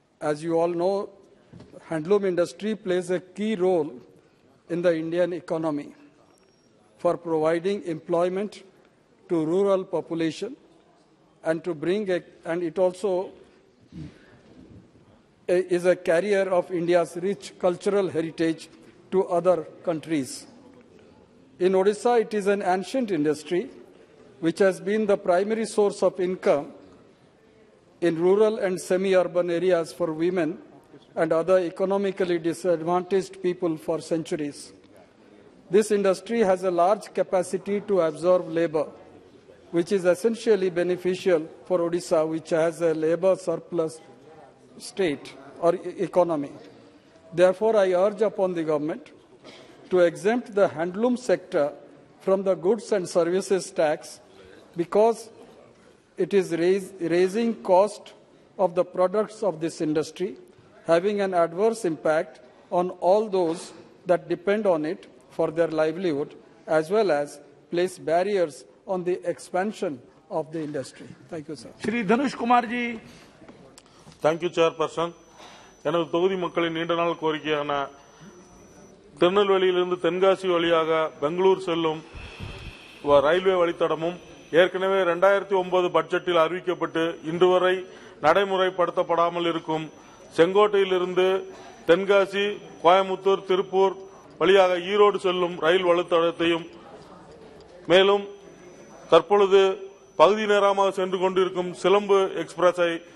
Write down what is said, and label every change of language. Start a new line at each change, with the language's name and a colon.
English: As you all know, handloom industry plays a key role in the Indian economy for providing employment to rural population and to bring and it also is a carrier of India's rich cultural heritage to other countries. In Odisha, it is an ancient industry which has been the primary source of income in rural and semi-urban areas for women and other economically disadvantaged people for centuries. This industry has a large capacity to absorb labor, which is essentially beneficial for Odisha, which has a labor surplus state or economy. Therefore, I urge upon the government to exempt the handloom sector from the goods and services tax because it is raising cost of the products of this industry, having an adverse impact on all those that depend on it for their livelihood, as well as place barriers on the expansion of the industry. Thank you, sir. Shri Dhanush Kumar ji. Thank you, Chairperson.
Tamil: எனது தொகுதி மக்களின் நீண்ட நாள் கோரிக்கையான திருநெல்வேலியிலிருந்து தென்காசி வழியாக பெங்களூர் செல்லும் railway வழித்தடமும் ஏற்கனவே 2009 பட்ஜெட்டில் அறிவிக்கப்பட்டு இன்று வரை நடைமுறைப்படுத்தப்படாமல் இருக்கும் செங்கோட்டையிலிருந்து தென்காசி, கோயம்புத்தூர், திருப்பூர் வழியாக ஈரோடு செல்லும் ரயில் வழித்தடத்தையும், மேலும் தற்பொழுது பகுதி நேரமாக சென்று கொண்டிருக்கும் சிலம்பு எக்ஸ்பிரஸை